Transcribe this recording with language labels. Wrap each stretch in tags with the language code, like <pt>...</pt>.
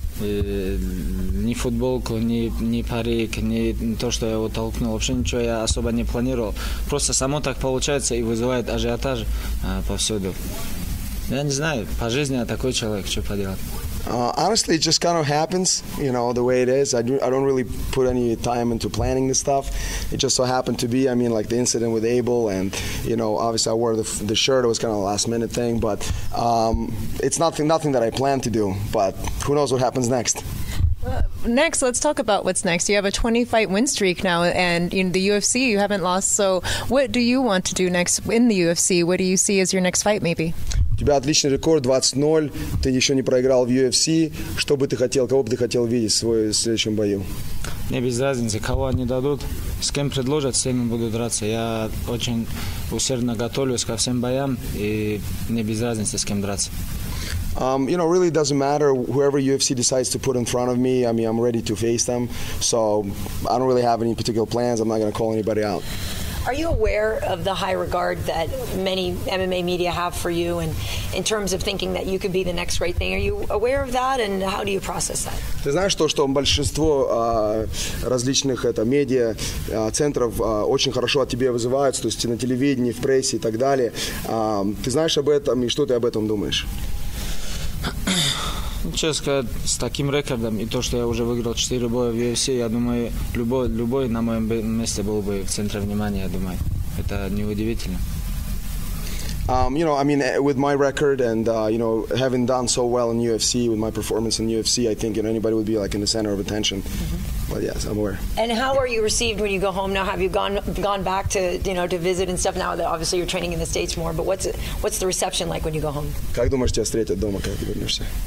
<ru>Ни футболку, ни парик, ни то, что я его толкнул. Вообще ничего я особо не планировал. Просто само так получается и вызывает ажиотаж повсюду. Я не знаю, по жизни я такой человек, что поделать.</ru> <en>Honestly, it just kind of happens, you know, the way it is. I don't really put any time into planning this stuff. It just so happened to be, I mean, like the incident with Abel, and, you know, obviously I wore the shirt. It was kind of a last minute thing, but it's nothing that I plan to do, but who knows what happens next. Next, let's talk about what's next. You have a 20-fight win streak now, and in the UFC, you haven't lost. So what do you want to do next in the UFC? What do you see as your next fight, maybe?</en> <ru>У тебя отличный рекорд, 20-0, ты еще не проиграл в UFC. Что бы ты хотел, кого бы ты хотел видеть в своем следующем бою? Мне без разницы, кого они дадут, с кем предложат, с теми буду драться. Я очень усердно готовлюсь ко всем боям, и мне без разницы, с кем драться.</ru> <en>You know, really doesn't matter whoever UFC decides to put in front of me. I mean, I'm ready to face them. So I don't really have any particular plans. I'm not going to call anybody out. Are you aware of the high regard that many MMA media have for you, and in terms of thinking that you could be the next great thing? Are you aware of that, and how do you process that?</en> <ru>Ты знаешь то, что большинство различных это медиа центров очень хорошо о тебе вызываются, то есть на телевидении, в прессе и так далее. Ты знаешь об этом, и что ты об этом думаешь? Честно сказать, с таким рекордом и то, что я уже выиграл 4 боя в UFC, я думаю, любой на моем месте был бы в центре внимания, я думаю. Это неудивительно.</ru> <en>You know, I mean, with my record and, you know, having done so well in UFC, with my performance in UFC, I think, you know, anybody would be, like, in the center of attention. Mm-hmm. But, yes, I'm aware. And how are you received when you go home now? Have you gone back to, you know, to visit and stuff now that obviously you're training in the States more? But what's the reception like when you go home?</en> <ru>Как думаешь, тебя встретят дома, когда ты вернешься?</ru>